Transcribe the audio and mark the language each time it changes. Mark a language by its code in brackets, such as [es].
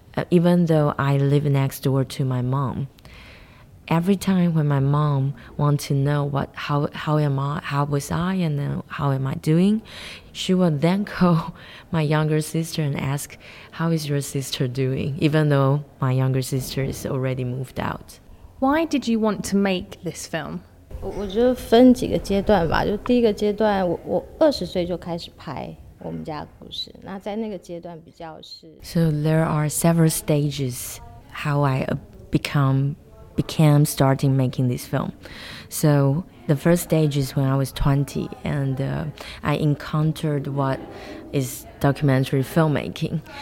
[en] even though I live next door to my mom. Every time when my mom want to know what how was I and then how am I doing, she would then call my younger sister and ask, how is your sister doing, even though my younger sister is already moved out. Why did you want to make this film? [zh] 我就分几个阶段吧, 就第一个阶段, 我20岁就开始拍。 [en] So there are several stages how I became starting making this film. So the first stage is when I was 20 and I encountered what is documentary filmmaking.